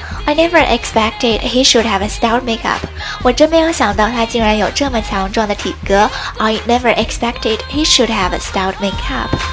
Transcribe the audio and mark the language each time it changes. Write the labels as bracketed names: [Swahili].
[English] I never expected he should have a stout makeup. [Chinese] 我真没有想到他竟然有这么强壮的体格。 [English] I never expected he should have a stout makeup.